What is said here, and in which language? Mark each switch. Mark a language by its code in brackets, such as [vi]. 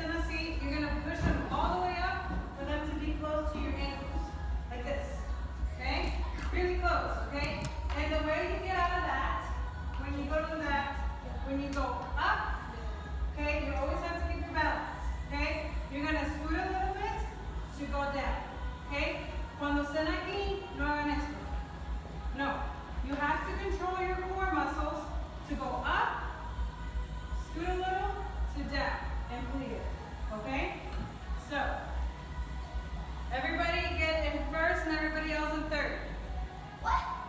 [en] you're going to push them all the way up for them to be close to your ankles. Like this. Okay? Really close. Okay? And the way you get out of that, when you go to the mat, when you go up, okay, you always have to keep your balance. Okay? You're going to scoot a little bit to go down. Okay? [es] Cuando estén aquí, no hagan esto. No. [en] You have to control your core muscles to go up, scoot a little, to down, and plie. Okay? So, everybody get in first and everybody else in third. What?